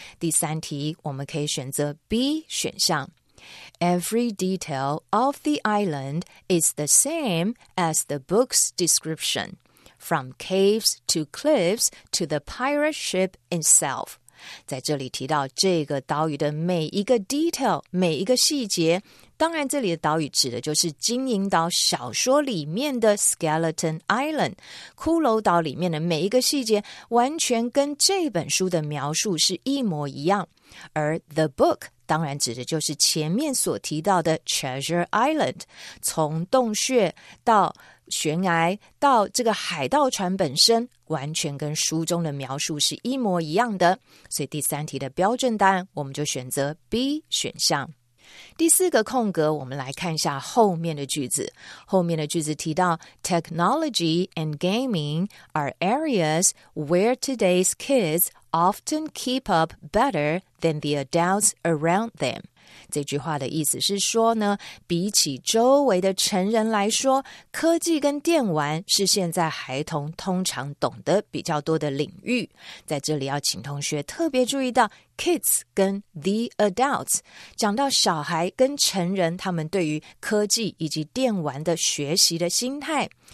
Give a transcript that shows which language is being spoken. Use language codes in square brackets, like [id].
[zh] 第三题，我们可以选择 B 选项。 [en] Every detail of the island is the same as the book's description, from caves to cliffs to the pirate ship itself. [zh] 在这里提到这个岛屿的每一个 detail, 每一个细节，当然这里的岛屿指的就是金银岛小说里面的 Skeleton Island, 骷髅岛里面的每一个细节完全跟这本书的描述是一模一样。而 The Book当然指的就是前面所提到的 Treasure Island， 从洞穴到悬崖到这个海盗船本身，完全跟书中的描述是一模一样的。所以第三题的标准答案我们就选择 B 选项。第四个空格，我们来看一下后面的句子。后面的句子提到 [en] Technology and gaming are areas where today's kidsoften keep up better than the adults around them. [zh] 这句话的意思是说呢，比起周围的成人来说，科技跟电玩是现在孩童通常懂得比较多的领域。在这里要请同学特别注意到 kids 跟 the adults， 讲到小孩跟成人他们对于科技以及电玩的学习的心态。